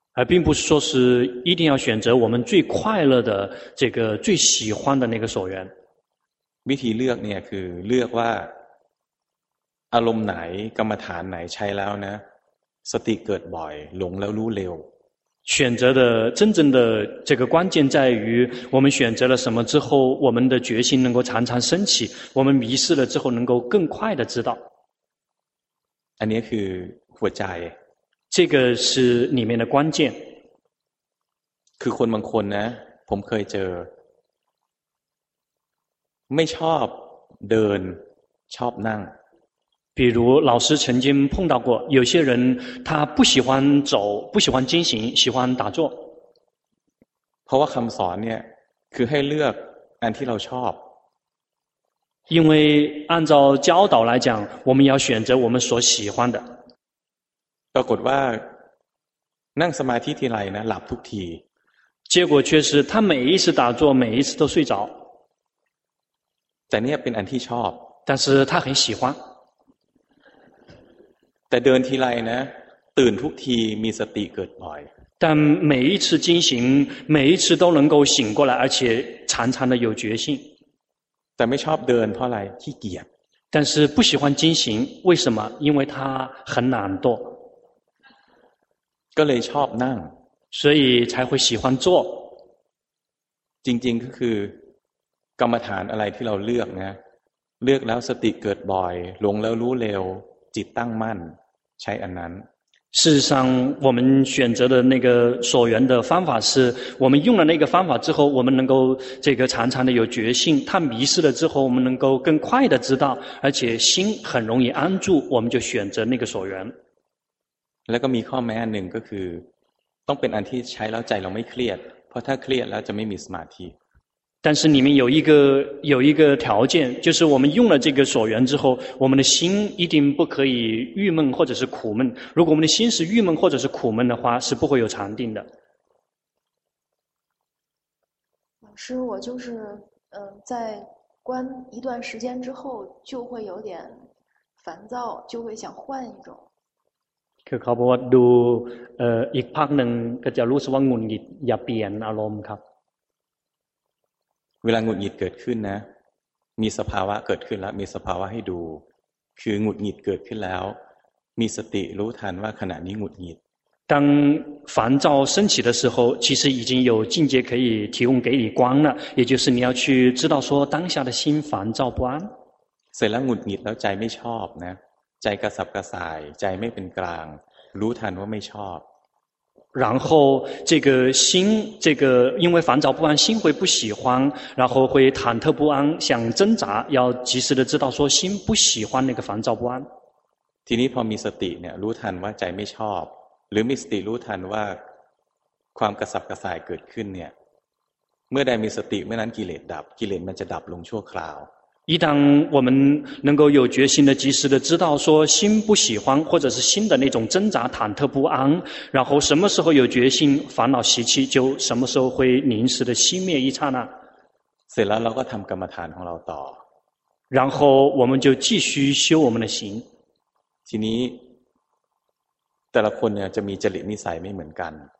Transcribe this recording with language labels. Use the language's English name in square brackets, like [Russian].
[Chinese] 并不是说是一定要选择我们最快乐的这个最喜欢的那个所缘 [Thai] วิธีเลือกเนี่ยคือเลือกว่าอารมณ์ไหนกรรมฐานไหนใช้แล้วนะสติเกิดบ่อยหลงแล้วรู้เร็ว [Chinese] 选择的真正的这个关键在于我们选择了什么之后我们的决心能够常常升起我们迷失了之后能够更快的知道 [Thai] อันนี้คือหัวใจ [Chinese] 这个是里面的关键 [Thai] คือคนบางคนนะผมเคยเจอไม่ชอบเดินชอบนั่ง [Chinese] 比如老师曾经碰到过有些人他不喜欢走不喜欢进行喜欢打坐 [Thai] เพราะว่าคำสอนเนี่ยคือให้เลือกอันที่เราชอบ [Chinese] 因为按照教导来讲我们要选择我们所喜欢的 [Thai] ปรากฏว่านั่งสมาธิทีไรนะหลับทุกที [Chinese] 结果却是他每一次打坐每一次都睡着 [Thai] แต่เนี่ยเป็นอันที่ชอบ [Chinese] 但是他很喜欢 [Thai] แต่เดินทีไรนะตื่นทุกทีมีสติเกิดบ่อย [Chinese] 但每一次进行每一次都能够醒过来而且常常的有决心 [Thai] แต่ไม่ชอบเดินเพราะอะไรขี้เกียจ [Chinese] 但是不喜欢进行为什么因为他很懒惰 [Thai] ก็เลยชอบนั่ง [Chinese] 所以才会喜欢坐 [Thai] จริงๆก็คือกรรมฐานอะไรที่เราเลือกนะเลือกแล้วสติเกิดบ่อยหลงแล้วรู้เร็วจิตตั้งมั่นใช้อันนั้น [Chinese] 事实上我们选择的那个所缘的方法是我们用了那个方法之后我们能够这个常常的有觉性它迷失了之后我们能够更快的知道而且心很容易安住我们就选择那个所缘 [Thai] แล้วก็มีข้อแม้หนึ่งก็คือต้องเป็นอันที่ใช้แล้วใจเราไม่เครียดเพราะถ้าเครียดแล้วจะไม่มีสมาธิ [Chinese] 但是里面有一个条件，就是我们用了这个所缘之后，我们的心一定不可以郁闷或者是苦闷。如果我们的心是郁闷或者是苦闷的话，是不会有禅定的。老师，我就是在观一段时间之后，就会有点烦躁，就会想换一种。 [Thai] คือเขาบอกว่าดูอีกพักหนึ่งก็จะรู้สึกว่าหงุดหงิดอยากเปลี่ยนอารมณ์ครับ เวลาหงุดหงิดเกิดขึ้นนะมีสภาวะเกิดขึ้นแล้วมีสภาวะให้ดูคือหงุดหงิดเกิดขึ้นแล้วมีสติรู้ทันว่าขณะนี้หงุดหงิด [Chinese] 当烦躁升起的时候其实已经有境界可以提供给你光了也就是你要去知道说当下的心烦躁不安 [Thai] เสร็จแล้วหงุดหงิดแล้วใจไม่ชอบนะใจกระสับกระส่ายใจไม่เป็นกลางรู้ทันว่าไม่ชอบ [Chinese] 然后这个心这个因为烦躁不安心会不喜欢然后会忐忑不安想挣扎要及时的知道说心不喜欢那个烦躁不安 [Thai] ทีนี้พอมีสติเนี่ยรู้ทันว่าใจไม่ชอบหรือมีสติรู้ทันว่าความกระสับกระส่ายเกิดขึ้นเนี่ย เมื่อได้มีสติเมื่อนั้นกิเลสดับกิเลสมันจะดับลงชั่วคราว [Chinese] 一旦我们能够有决心的及时的知道说心不喜欢或者是心的那种挣扎忐忑不安然后什么时候有决心烦恼习气就什么时候会临时的熄灭一刹那 [Thai] เสร็จแล้วเราก็ทำกรรมฐานของเราต่อ [Chinese] 然后我们就继续修我们的行 [Thai] ทีนี้แต่ละคนเนี่ยจะมีจริตนิสัยไม่เหมือนกัน